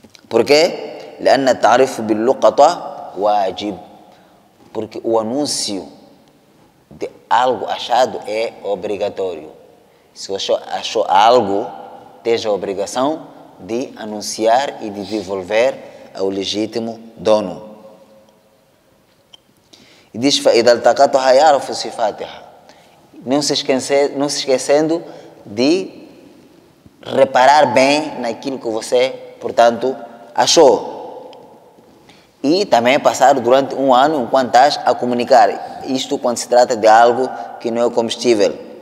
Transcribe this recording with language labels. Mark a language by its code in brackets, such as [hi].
[pt] Por quê? [ar] لأن التعريف باللقطة واجب [pt] porque o anúncio de algo achado é obrigatório. Se você achou algo, esteja a obrigação de anunciar e de devolver ao legítimo dono. E diz [ar] فإذا التقطها يعرف صفاتها. [pt] Não se esquecendo de reparar bem naquilo que você, portanto, achou. E também passar durante um ano enquanto estás a comunicar. Isto quando se trata de algo que não é comestível.